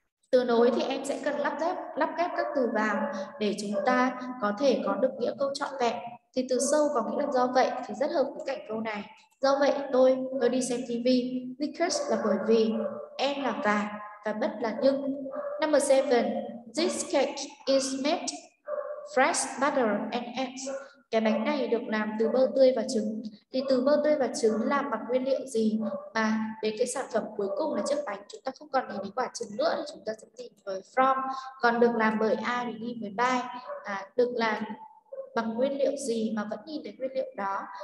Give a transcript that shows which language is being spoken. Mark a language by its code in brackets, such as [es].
[vi] Từ nối thì em sẽ cần lắp ghép các từ vào để chúng ta có thể có được nghĩa câu trọn vẹn. Thì từ sâu có nghĩa là do vậy thì rất hợp với cạnh câu này. Do vậy tôi đi xem TV. Because là bởi vì, em là và bất là nhưng. [en] Number 7, this cake is made fresh butter and eggs. [vi] Cái bánh này được làm từ bơ tươi và trứng. Thì từ bơ tươi và trứng làm bằng nguyên liệu gì? Mà đến cái sản phẩm cuối cùng là chiếc bánh, chúng ta không còn nhìn thấy quả trứng nữa, chúng ta sẽ tìm với from. Còn được làm bởi ai thì đi với by. Được làm bằng nguyên liệu gì mà vẫn nhìn thấy nguyên liệu đó.